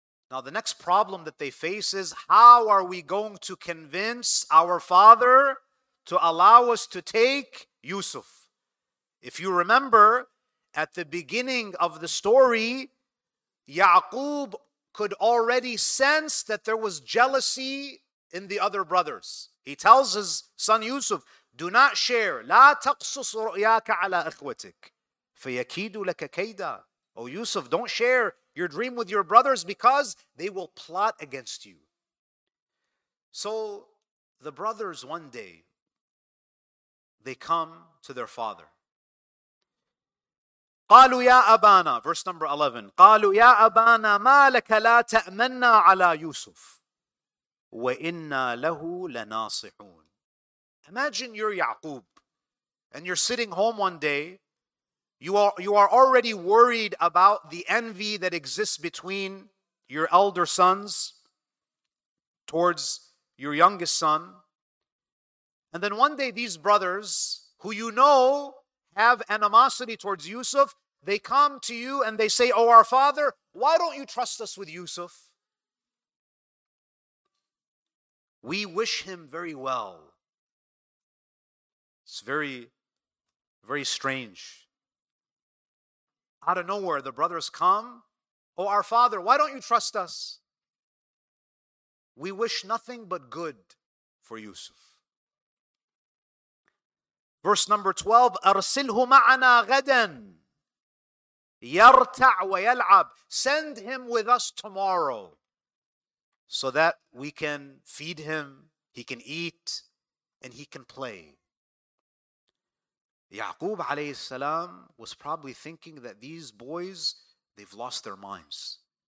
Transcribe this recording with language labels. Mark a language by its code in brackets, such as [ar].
[en] Now the next problem that they face is, how are we going to convince our father to allow us to take Yusuf? If you remember, at the beginning of the story, Ya'qub could already sense that there was jealousy in the other brothers. He tells his son Yusuf, do not share. [ar] لا تقصص رؤياك على إخوتك فيكيدوا لك كيدا. [en] Oh Yusuf, don't share your dream with your brothers because they will plot against you. So the brothers one day, they come to their father. [ar] قالوا يا أبانا, [en] verse number 11. [ar] قالوا يا أبانا ما لك لا تأمنا على يوسف. وَإِنَّا لَهُ لَنَاصِحُونَ. [en] Imagine you're Ya'qub, and you're sitting home one day. You are already worried about the envy that exists between your elder sons. towards your youngest son. And then one day these brothers, who you know have animosity towards Yusuf, they come to you and they say, "Oh, our father, why don't you trust us with Yusuf? We wish him very well." It's very, very strange. Out of nowhere, the brothers come. "Oh, our father, why don't you trust us? We wish nothing but good for Yusuf." Verse number 12, [ar] أَرْسِلْهُ مَعَنَا غَدًا يَرْتَعْ وَيَلْعَبْ. [en] Send him with us tomorrow so that we can feed him, he can eat, and he can play. Ya'qub alayhi salam was probably thinking that these boys, they've lost their minds.